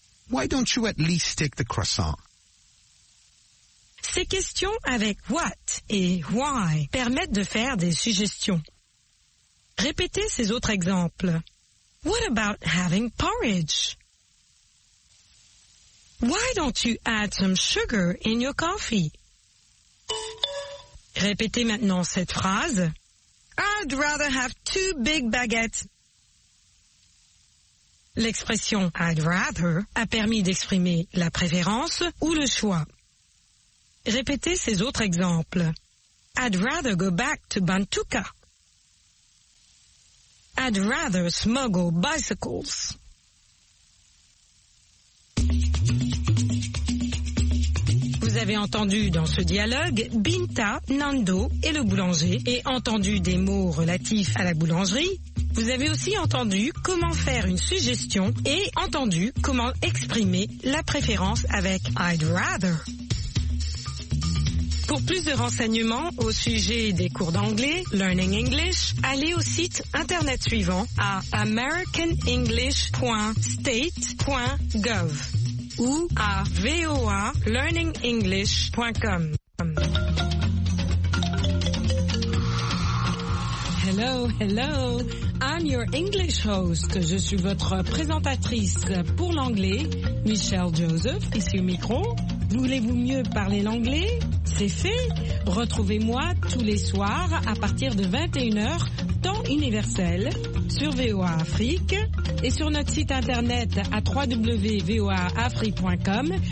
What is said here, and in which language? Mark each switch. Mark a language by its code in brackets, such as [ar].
[en] Why don't you at least take the croissant? [fr] Ces questions avec what et why permettent de faire des suggestions. Répétez ces autres exemples. [en] What about having porridge? Why don't you add some sugar in your coffee? [fr] Répétez maintenant cette phrase. [en] I'd rather have 2 big baguettes. [fr] L'expression I'd rather a permis d'exprimer la préférence ou le choix. Répétez ces autres exemples. [en] I'd rather go back to Bantuka. I'd rather smuggle bicycles. [fr] Vous avez entendu dans ce dialogue Binta, Nando et le boulanger et entendu des mots relatifs à la boulangerie. Vous avez aussi entendu comment faire une suggestion et entendu comment exprimer la préférence avec I'd rather. Pour plus de renseignements au sujet des cours d'anglais, Learning English, allez au site internet suivant à americanenglish.state.gov ou à voalearningenglish.com. [en] Hello, hello, I'm your English host. [fr] Je suis votre présentatrice pour l'anglais, Michelle Joseph, ici au micro. Voulez-vous mieux parler l'anglais? C'est fait. Retrouvez-moi tous les soirs à partir de 21h, temps universel, sur VOA Afrique et sur notre site internet à www.voaafrique.com.